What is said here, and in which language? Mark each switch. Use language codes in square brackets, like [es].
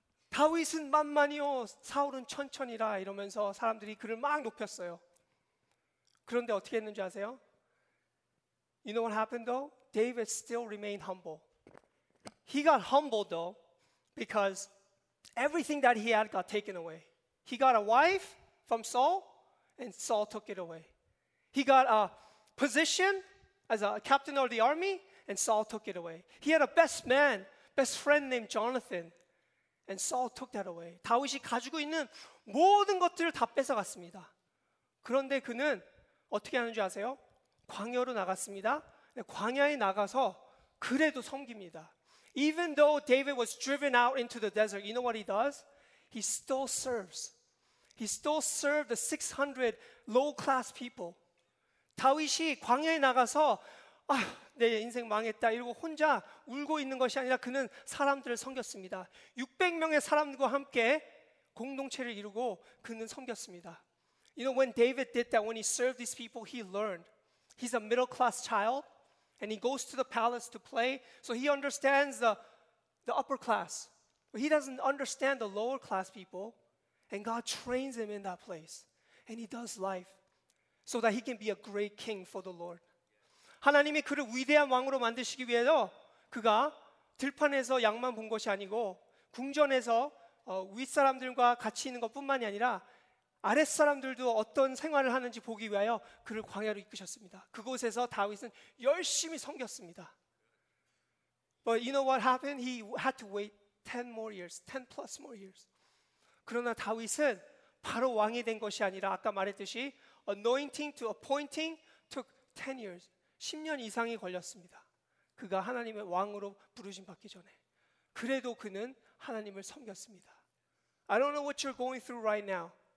[ko] 다윗은 만만이요, 사울은 천천이라 이러면서 사람들이 그를 막 높였어요. 그런데 어떻게 했는지 아세요? [en] You know what happened though? David still remained humble. He got humbled though because everything that he had got taken away. He got a wife from Saul and Saul took it away. He got a position as a captain of the army and Saul took it away. He had a best man, best friend named Jonathan and Saul took that away. [ko] 다윗이 가지고 있는 모든 것들을 다 뺏어갔습니다. 그런데 그는 어떻게 하는지 아세요? 광야로 나갔습니다. 광야에 나가서 그래도 섬깁니다. [en] Even though David was driven out into the desert, you know what he does? He still serves. He still served the 600 low-class people. [ko] 다윗이 광야에 나가서 아, 내 인생 망했다 이러고 혼자 울고 있는 것이 아니라 그는 사람들을 섬겼습니다. 600명의 사람들과 함께 공동체를 이루고 그는 섬겼습니다. [en] You know, when David did that, when he served these people, he learned. He's a middle-class child, and he goes to the palace to play, so he understands the upper class. But he doesn't understand the lower-class people, and God trains him in that place, and he does life so that he can be a great king for the Lord. [ko] 하나님이 그를 위대한 왕으로 만드시기 위해서 그가 들판에서 양만 본 것이 아니고 궁전에서 윗사람들과 같이 있는 것뿐만이 아니라 아랫사람들도 어떤 생활을 하는지 보기 위하여 그를 광야로 이끄셨습니다. 그곳에서 다윗은 열심히 섬겼습니다. [en] But you know what happened? He had to wait 10 more years, 10 plus more years. [ko] 그러나 다윗은 바로 왕이 된 것이 아니라 아까 말했듯이 [en] anointing to appointing took 10 years. [ko] 10년 이상이 걸렸습니다. 그가 하나님의 왕으로 부르심 받기 전에. 그래도 그는 하나님을 섬겼습니다. [en] I don't know what you're going through right now.